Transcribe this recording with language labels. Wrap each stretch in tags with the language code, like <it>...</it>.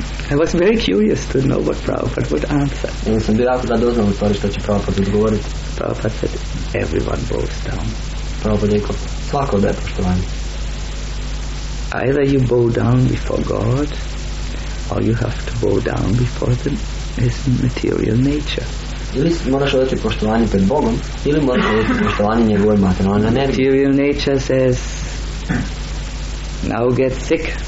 <en>I was very curious to know what Prabhupada would answer.</en> <hr>Ja sam bio jako zadovoljan u stvari što će Prabhupada odgovoriti.</hr> <en>Prabhupada said, "Everyone bows down."</en> <hr>Prabhupada rekao, svako daje poštovanje.</hr> <en>Either you bow down before God, or you have to bow down before his material nature.</en> <hr>Ili moraš odati poštovanje pred Bogom, ili moraš odati poštovanje njegove materijalne energije.</hr> <en>Material nature says, "Now get sick."</en>